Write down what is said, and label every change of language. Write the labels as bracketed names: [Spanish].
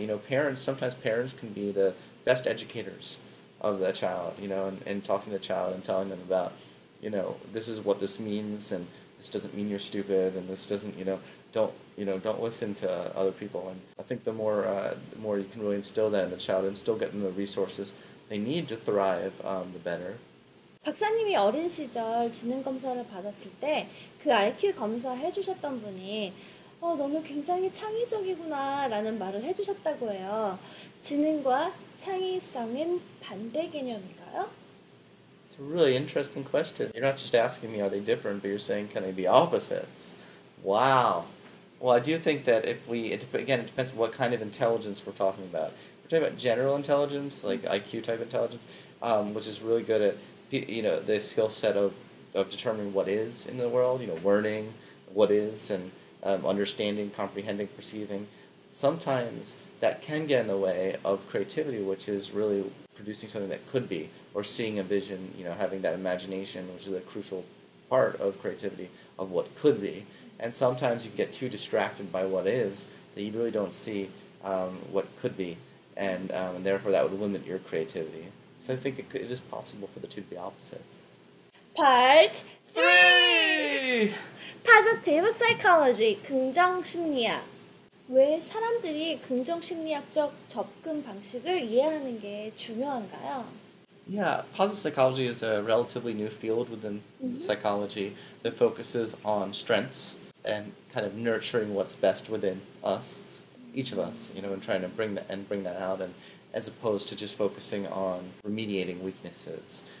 [English] You know, sometimes parents can be the best educators of the child, you know, and talking to the child and telling them about, you know, this is what this means, and this doesn't mean you're stupid, and this doesn't, you know, don't listen to other people. And I think the more you can really instill that in the child and still get them the resources they need to thrive, the better. [Korean] 박사님이 어린 시절 지능검사를 받았을 때 그 IQ 검사 해주셨던 분이 너는 굉장히 창의적이구나 라는 말을 해주셨다고 해요. 지능과 창의성은 반대 개념인가요? [English] It's a really interesting question. You're not just asking me are they different, but you're saying can they be opposites? Wow. Well, I do think that it depends on what kind of intelligence we're talking about. We're talking about general intelligence, like IQ type intelligence, which is really good at, you know, the skill set of determining what is in the world, you know, learning what is and understanding, comprehending, perceiving. Sometimes that can get in the way of creativity, which is really producing something that could be, or seeing a vision, you know, having that imagination, which is a crucial part of creativity, of what could be. And sometimes you get too distracted by what is that you really don't see what could be, and therefore that would limit your creativity. So I think it is possible for the two to be opposites. Part 3! Positive Psychology, 긍정심리학. [Korean] 왜 사람들이 긍정심리학적 접근 방식을 이해하는 게 중요한가요? [English] Yeah, positive psychology is a relatively new field within psychology that focuses on strengths and kind of nurturing what's best within us, each of us, you know, and trying to bring that out, and as opposed to just focusing on remediating weaknesses.